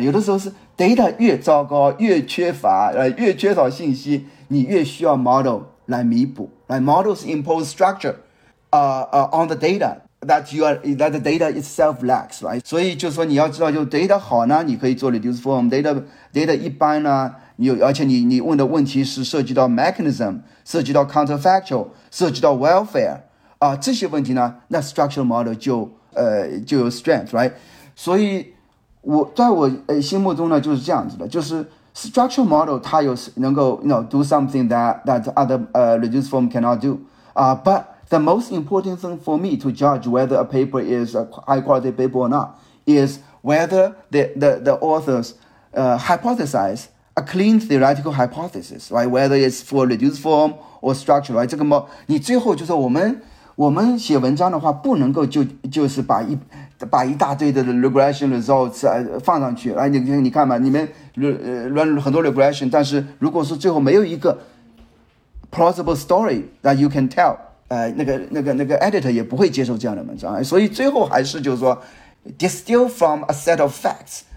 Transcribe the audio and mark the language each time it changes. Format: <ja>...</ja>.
<zh>有的时候是 data 越糟糕越缺乏，越缺少信息，你越需要 model 来弥补。</zh> <en>Right? Models impose structure, on the data that the data itself lacks, right?</en> <zh>所以就说你要知道，就 data 好呢，你可以做 reduce form. Data 一般呢。而且你问的问题是涉及到 mechanism， 涉及到 counterfactual， 涉及到 welfare， 这些问题呢，那 structural model 就有 strength， right？所以在我心目中呢就是这样子的，就是</zh> <en>structural model</en> <zh>它有能够</zh> <en>you know, do something that other reduced form cannot do， but the most important thing for me to judge whether a paper is a high quality paper or not is whether the authors hypothesize a clean theoretical hypothesis, right? Whether it's for reduced form or structure, right?</en> <zh>这个嘛，你最后就是我们写文章的话，不能够就是把一大堆的 regression results 放上去，哎，你看嘛，你们run很多 regression， 但是如果说最后没有一个</zh> <en>plausible story that you can tell，</en> <zh>那个 editor 也不会接受这样的文章，所以最后还是就是说</zh> <en>distill from a set of facts。</en>